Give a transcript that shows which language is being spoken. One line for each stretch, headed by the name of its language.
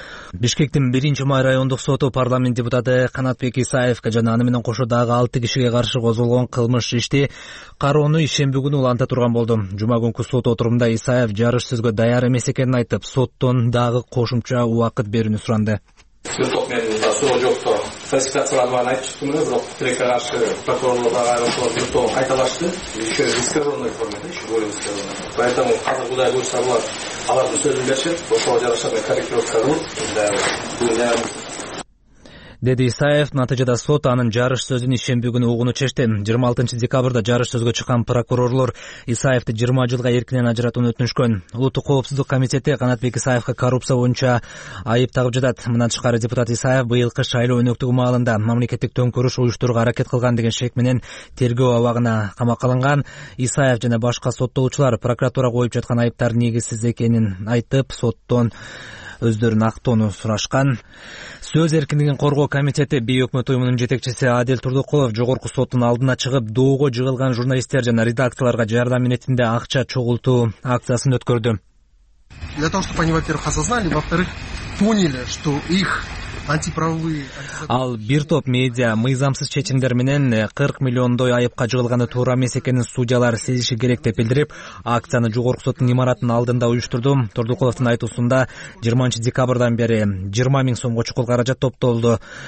Kyrgyz: Бишкектин 1-май райондук соту парламент депутаты Канатбек Исаевке жана аны менен кошо дагы 6 кишиге каршы козголгон кылмыш ишти кароону ишемби күнү уланта турган болду. Жума күнкү сот отурумунда Исаев жарыш сөзгө даяр эмес экенин айтып, соттон дагы кошумча убакыт берүүнү суранды. Сотто мен да суроо жокто фальсификацияланганын айтып чыктым эле, бирок тилекке каршы прокурорлордагы айрыкчылыктоо кайталашты.
Russian: Еще дисциплинарный форма да, еще более дисциплинарный.
Kyrgyz: Поэтому азыр кудай буюрса булар алардын сөзүн беришет, ошого жараша мен корректировка кылып деди Исаев. Натыйжада сот анын жарыш сөзүн ишемби күнү угууну чечти. 26 декабрда жарыш сөзгө чыккан прокурорлор Исаевди 20 жылга эркинен ажыратууну өтүнүшкөн. Улуттук коопсуздук комитети Канатбек Исаевге коррупция боюнча айып тагып жатат. Мындан тышкары депутат Исаев быйылкы шайлоо өнөктүгү маалында мамлекеттик төңкөрүш уюштурууга аракет кылган деген шек менен тергөө абагына камакка алынган. Исаев жана башка соттолуучулар прокуратура коюп жаткан айыптар негизсиз экенин айтып, соттон өздөрүн актоону сурашкан. Сөз эркиндигин коргоо комитети бий өкмөт уюмунун жетекчиси Адил Турдукулов жогорку соттун алдына чыгып доого жыгылган журналисттер жана редакцияларга жардам иретинде акча чогултуу акциясын өткөрдү.
Russian: Для того чтобы они, во-первых, осознали, во-вторых, поняли, что их антиправовые.
Kyrgyz: Ал бир топ медиа мыйзамсыз чечимдер менен 40 миллиондой айыпка жыгылганы туура эмес экенин судьялар сезиши керек деп билдирип, акцияны жогорку соттун имаратынын алдында уюштурду. Турдукуловдун айтуусунда 20 декабрдан бери 20 000 сомго чукул каражат топтолду.